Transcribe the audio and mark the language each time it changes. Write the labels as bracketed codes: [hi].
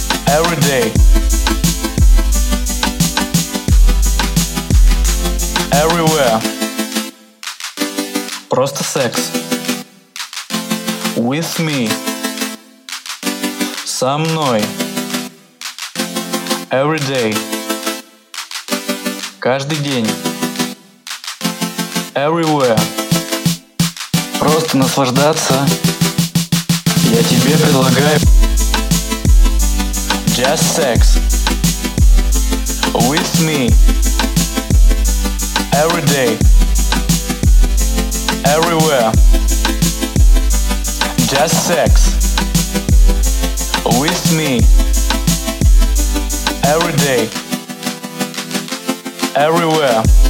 [en] Every day, everywhere. [ru] Просто [en] sex with me, [ru] со мной. [en] Every day, [ru] каждый день. [en] Everywhere, [ru] просто наслаждаться я тебе предлагаю. [en] Just sex with me every day, everywhere. Just sex with me every day, everywhere.